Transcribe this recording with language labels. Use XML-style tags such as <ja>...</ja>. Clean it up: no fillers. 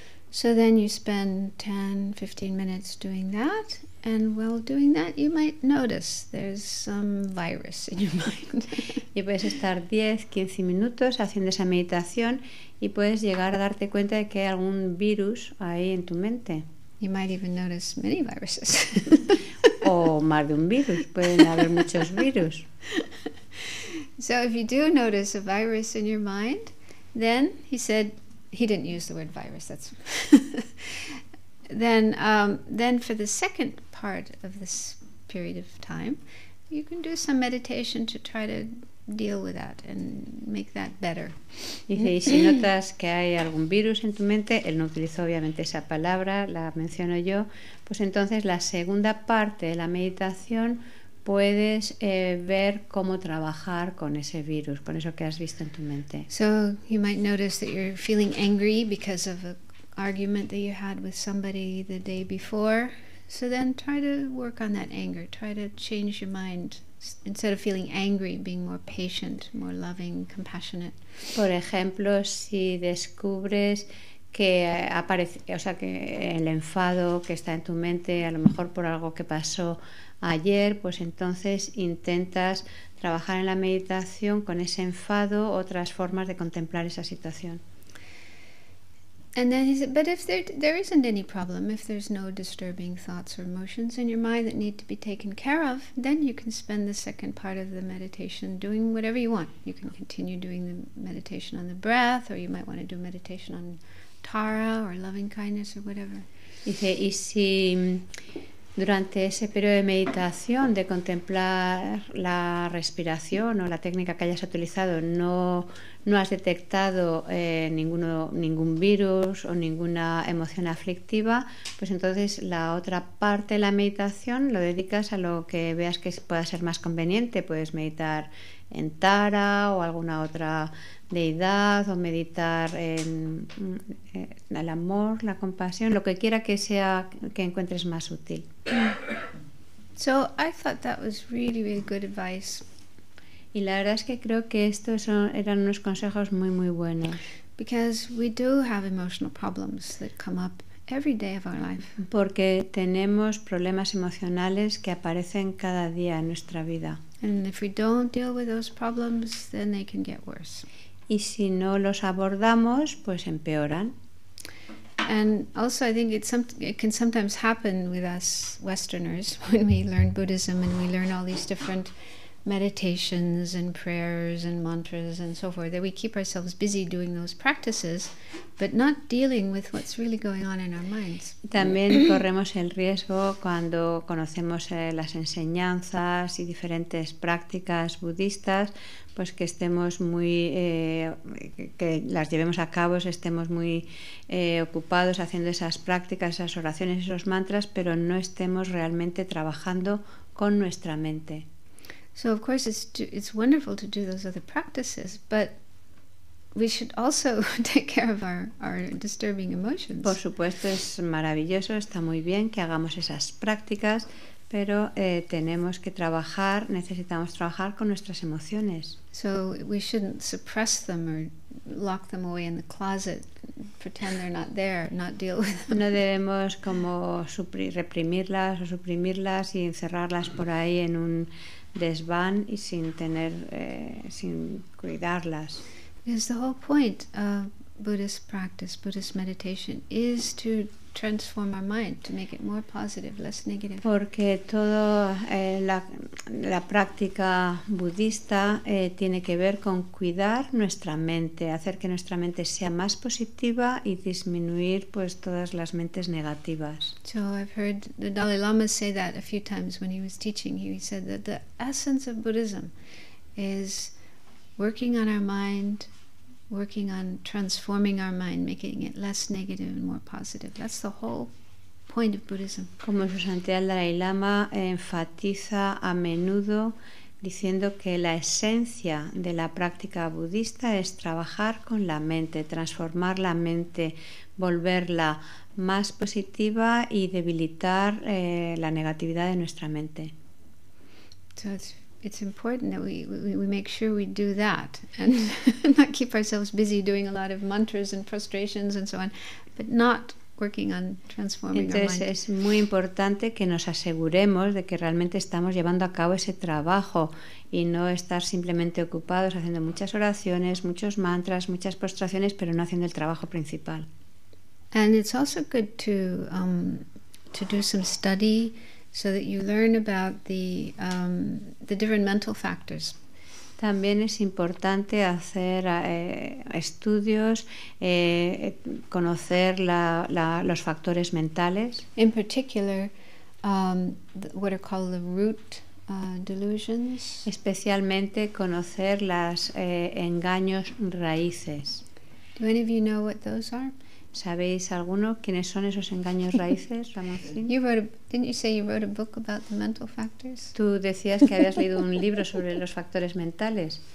<en>So then you spend 10-15 minutes doing that, and while doing that you might notice there's some virus in your mind.</en> <es>Y puedes estar 10-15 minutos haciendo esa meditación y puedes llegar a darte cuenta de que hay algún virus ahí en tu mente.</es> <en>You might even notice many viruses.</en> <es>O más de un virus, pueden haber muchos virus.</es> <en>So if you do notice a virus in your mind, then he said, he didn't use the word virus. That's then for the second part of this period of time, you can do some meditation to try to deal with that and make that better.</en> <es>Dice, y si notas que hay algún virus en tu mente, él no utilizó obviamente esa palabra, la menciono yo, pues entonces la segunda parte de la meditación puedes ver cómo trabajar con ese virus, con eso que has visto en tu mente.</es> <en>So you might notice that you're feeling angry because of an argument that you had with somebody the day before. So then try to work on that anger. Try to change your mind. Instead of feeling angry, being more patient, more loving, compassionate.</en> <es>Por ejemplo, si descubres que aparece, o sea, que el enfado que está en tu mente, a lo mejor por algo que pasó ayer, pues entonces intentas trabajar en la meditación con ese enfado, otras formas de contemplar esa situación.</es> <en>And then he said, but if there isn't any problem, if there's no disturbing thoughts or emotions in your mind that need to be taken care of, then you can spend the second part of the meditation doing whatever you want. You can continue doing the meditation on the breath, or you might want to do meditation on Tara or loving kindness or whatever.</en> <es>Dice, y si durante ese periodo de meditación de contemplar la respiración o la técnica que hayas utilizado no no has detectado ningún virus o ninguna emoción aflictiva, pues entonces la otra parte de la meditación lo dedicas a lo que veas que pueda ser más conveniente. Puedes meditar en Tara o alguna otra deidad, o meditar en el amor, la compasión, lo que quiera que sea que encuentres más útil.</es> <en>So I thought that was really, really good advice.</en> <es>Y la verdad es que creo que estos son, eran unos consejos muy, muy buenos.</es> <en>Because we do have emotional problems that come up every day of our life.</en> <es>Porque tenemos problemas emocionales que aparecen cada día en nuestra vida.</es> <en>And if we don't deal with those problems, then they can get worse.</en> <es>Y si no los abordamos, pues empeoran.</es> <en>And also I think it can sometimes happen with us Westerners when we learn Buddhism and we learn all these different meditations and prayers and mantras and so forth, that we keep ourselves busy doing those practices but not dealing with what's really going on in our minds.</en> <es>También corremos el riesgo cuando conocemos las enseñanzas y diferentes prácticas budistas, pues que estemos muy que las llevemos a cabo, estemos muy ocupados haciendo esas prácticas, esas oraciones, esos mantras, pero no estemos realmente trabajando con nuestra mente.</es> <en>So of course it's wonderful to do those other practices, but we should also take care of our disturbing emotions.</en> <es>Por supuesto, es maravilloso, está muy bien que hagamos esas prácticas, pero tenemos que trabajar, necesitamos trabajar con nuestras emociones.</es> <en>So we shouldn't suppress them or lock them away in the closet, pretend they're not there, not deal with them.</en> <es>No debemos como reprimirlas o suprimirlas y encerrarlas por ahí en un desván y sin tener sin cuidarlas.</es> <en>Because the whole point of Buddhist practice, Buddhist meditation, is to transform our mind, to make it more positive, less negative.</en> <es>Porque toda la práctica budista tiene que ver con cuidar nuestra mente, hacer que nuestra mente sea más positiva y disminuir pues todas las mentes negativas.</es> <en>So I've heard the Dalai Lama say that a few times when he was teaching. He said that the essence of Buddhism is working on our mind, working on transforming our mind, making it less negative and more positive. That's the whole point of Buddhism.</en> <es>Como su santidad Dalai Lama enfatiza a menudo diciendo que la esencia de la práctica budista es trabajar con la mente, transformar la mente, volverla más positiva y debilitar la negatividad de nuestra mente.</es> <en>So it's important that we make sure we do that and not keep ourselves busy doing a lot of mantras and frustrations and so on, but not working on transforming our mind.</en> <es>Es muy importante que nos aseguremos de que realmente estamos llevando a cabo ese trabajo y no estar simplemente ocupados haciendo muchas oraciones, muchos mantras, muchas postraciones, pero no haciendo el trabajo principal.</es> <en>And it's also good to do some study so that you learn about the different mental factors.</en> <es>También es importante hacer estudios, conocer los factores mentales.</es> <en>In particular, what are called the root delusions.</en> <es>Especialmente conocer las engaños raíces.</es> <en>Do any of you know what those are?</en> <es>¿Sabéis alguno quiénes son esos engaños raíces, Ramoncín?</es> <en>Didn't you say you wrote a book about the mental factors?</en> <es>Tú decías que habías leído un libro sobre los factores mentales.</es>